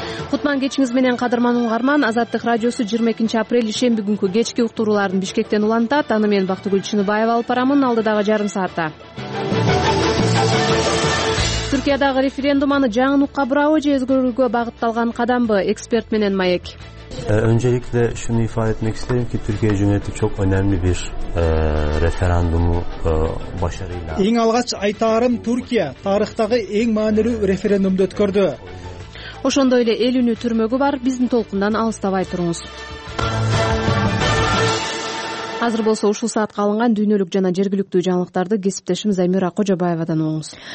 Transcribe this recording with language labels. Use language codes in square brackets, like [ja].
[ky] Кутман кечиңиз менен, кадырман угарман. Азаттык радиосу 22 апрель ишемби күнкү кечки уктурууларын Бишкектен улантат. Аны мен Бактыгүл Чыныбаева алып барамын алдыдагы жарым саатта. Түркиядагы референдум аны жаңынукка бурабы же өзгөрүүгө багытталган кадамбы? Эксперт менен маек. [tr] Öncelikle şunu ifade etmek isterim ki Türkiye Cumhuriyeti çok önemli bir referandumu başarıyla. [ky] Эң алгач айтарым Türkiye тарыхтагы эң маанилүү референдумду өткөрдү. Ошондой эле эл үнү түрмөгү бар, биздин толкундан алыстабай туруңуз. Азыр болсо ушул саатка алынган дүйнөлүк жана жергиликтүү жаңылыктарды кесиптешим Замира Кожобаевадан угуңуз.